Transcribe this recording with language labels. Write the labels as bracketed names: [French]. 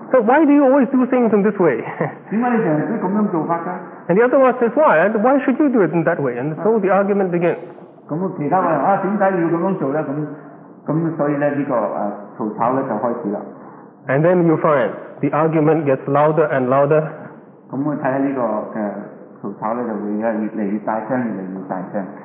[English] So why do you always do things in this way? [Cantonese] 點解你成日都咁樣做法噶？ [English] And the other one says, why? And why should you do it in that way? And so the argument begins. [Cantonese] 咁其他嘅啊，點解要咁樣做咧？咁所以咧呢、這個啊嘈吵咧就開始啦。 [English] And then you find the argument gets louder and louder. [Cantonese] 咁我睇下呢個嘅嘈吵咧就會越嚟越大聲，越嚟越大聲。